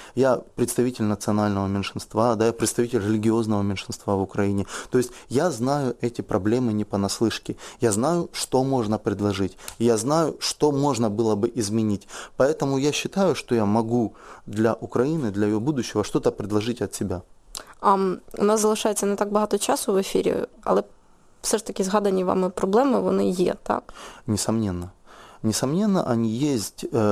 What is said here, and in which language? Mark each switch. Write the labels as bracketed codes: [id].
[ru] Я представитель национального меньшинства, да, я представитель религиозного меньшинства в Украине. То есть я знаю эти проблемы не понаслышке. Я знаю, что можно предложить. Я знаю, что можно было бы изменить. Поэтому я считаю, что я могу для Украины, для ее будущего что-то предложить от себя. [uk] У нас залишається не так багато часу в ефірі, але все ж таки згадані вами проблеми, вони є, так? [ru] Несомненно. Несомненно, они есть.